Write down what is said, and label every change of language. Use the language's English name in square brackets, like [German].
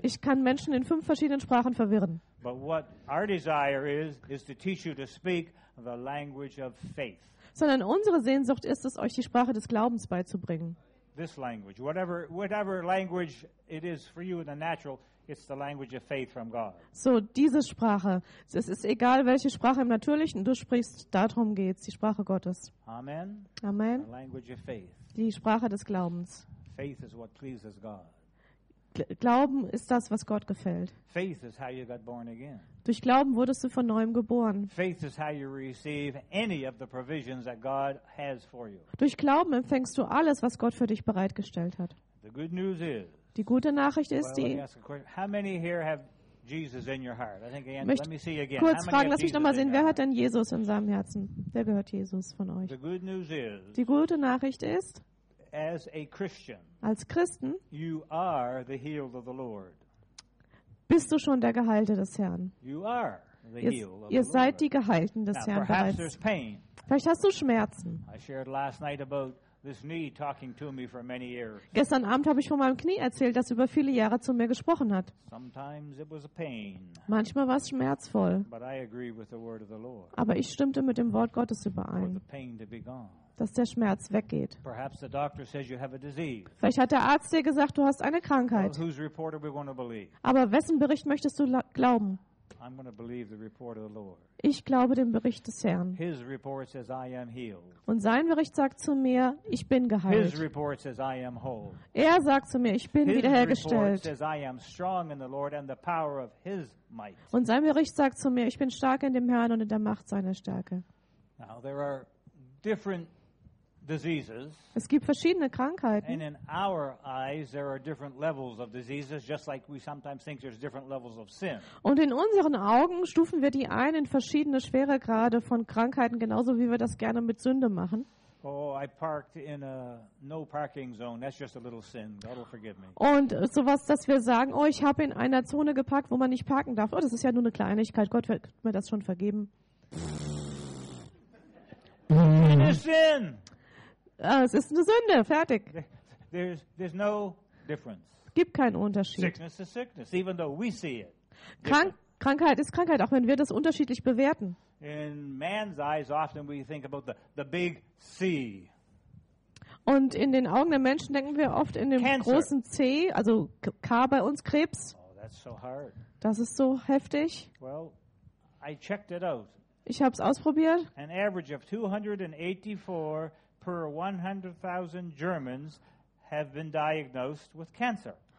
[German] Ich kann Menschen in fünf verschiedenen Sprachen verwirren. [English] But what our desire is to teach you to speak the language of faith. [German] Sondern unsere Sehnsucht ist es, euch die Sprache des Glaubens beizubringen. [English] This language, whatever language it is for you in the natural, it's the language of faith from God. [German] So, diese Sprache. Es ist egal, welche Sprache im Natürlichen du sprichst, darum geht's, die Sprache Gottes. Amen. Amen. [English] The language of faith. [German] Die Sprache des Glaubens. [English] Faith is what pleases God. [German] Glauben ist das, was Gott gefällt. [English] Faith is how you got born again. [German] Durch Glauben wurdest du von neuem geboren. [English] Faith is how you receive any of the provisions that God has for you. [German] Durch Glauben empfängst du alles, was Gott für dich bereitgestellt hat. [English] The good news is, [German] die gute Nachricht ist die. [English] How many here have Jesus in your heart? I think again. Let me see again. [German] Kurz fragen, lass mich noch mal sehen. Wer hat denn Jesus in seinem Herzen? Wer gehört Jesus von euch? [English] The good news is, [German] die gute Nachricht ist. [English] As a Christian, [German] als Christen, [English] you are the healed of the Lord. [German] Bist du schon der Geheilte des Herrn? [English] You are the healed of the Lord. [German] Ihr seid die Geheilten des Herrn bereits. [English] There's pain. [German] Vielleicht hast du Schmerzen. [English] I shared last night about this knee talking to me for many years. [German] Gestern Abend habe ich von meinem Knie erzählt, das über viele Jahre zu mir gesprochen hat. [English] Sometimes it was a pain. [German] Manchmal war es schmerzvoll. [English] But I agree with the word of the Lord. [German] Aber ich stimmte mit dem Wort Gottes überein. [English] For the pain to be gone. [German] Dass der Schmerz weggeht. [English] Perhaps the doctor says you have a disease. [German] Vielleicht hat der Arzt dir gesagt, du hast eine Krankheit. [English] Well, whose report are we going to believe? [German] Aber wessen Bericht möchtest du glauben? [English] I'm going to believe the report of the Lord. [German] Ich glaube dem Bericht des Herrn. [English] His report says, I am healed. [German] Und sein Bericht sagt zu mir, ich bin geheilt. [English] His report says, I am whole. [German] Er sagt zu mir, ich bin wiederhergestellt. [English] His report says, I am strong in the Lord and the power of his might. [German] Und sein Bericht sagt zu mir, ich bin stark in dem Herrn und in der Macht seiner Stärke. [English] Now, there are different diseases. [German] Es gibt verschiedene Krankheiten. [English] And in our eyes there are different levels of diseases, just like we sometimes think there's different levels of sin. [German] Und in unseren Augen stufen wir die ein in verschiedene Schweregrade von Krankheiten, genauso wie wir das gerne mit Sünde machen. [English] Oh, I parked in a no parking zone. That's just a little sin. God will forgive me. [German] Und sowas, dass wir sagen, oh, ich habe in einer Zone geparkt, wo man nicht parken darf. Oh, das ist ja nur eine Kleinigkeit. Gott wird mir das schon vergeben. [English] It is sin. [German] Es ist eine Sünde, fertig. [English] There's no difference. [German] Gibt keinen Unterschied. [English] Sickness is sickness, even though we see it. [German] Krankheit ist Krankheit, auch wenn wir das unterschiedlich bewerten. [English] In man's eyes often we think about the big C. [German] Und in den Augen der Menschen denken wir oft in dem [English] Cancer. [German] Großen C, also K bei uns, Krebs. [English] Oh, that's so hard. [German] Das ist so heftig. [English] Well, I checked it out. [German] Ich habe es ausprobiert. [English] An average of 284 per 100,000 Germans have been diagnosed with cancer.